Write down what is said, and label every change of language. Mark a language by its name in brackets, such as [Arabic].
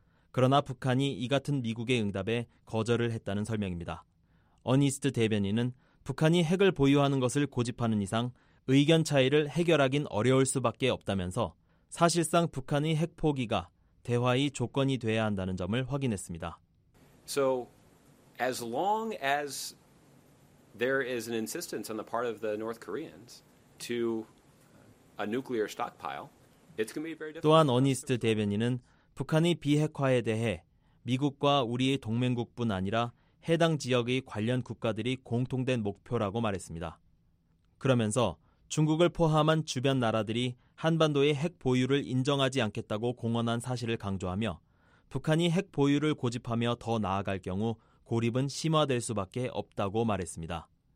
[Korean] 그러나 북한이 이 같은 미국의 응답에 거절을 했다는 설명입니다. 어니스트 대변인은 북한이 핵을 보유하는 것을 고집하는 이상 의견 차이를 해결하긴 어려울 수밖에 없다면서 사실상 북한의 핵 포기가 대화의 조건이 돼야 한다는 점을 확인했습니다. [English] So as long as there is an insistence on the part of the North Koreans to a nuclear stockpile, it's going to be very difficult. [Korean] 또한 어니스트 대변인은 북한의 비핵화에 대해 미국과 우리의 동맹국뿐 아니라 해당 지역의 관련 국가들이 공통된 목표라고 말했습니다. 그러면서 중국을 포함한 주변 나라들이 한반도의 핵 보유를 인정하지 않겠다고 공언한 사실을 강조하며 북한이 핵 보유를 고집하며 더 나아갈 경우 고립은 심화될 수밖에 없다고 말했습니다.